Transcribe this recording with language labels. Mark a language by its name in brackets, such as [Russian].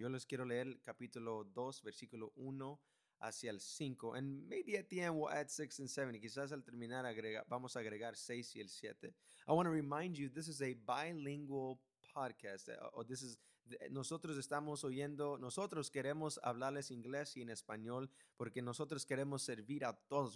[Spanish] Yo les quiero leer capítulo 2, versículo 1 hacia el 5. [English] And maybe at the end we'll add 6 and 7. [Spanish] Quizás al terminar vamos a agregar 6 y el 7. [English] I want to remind you, this is a bilingual podcast. [Spanish] Nosotros estamos oyendo, nosotros queremos hablarles inglés y en español porque nosotros queremos servir a todos.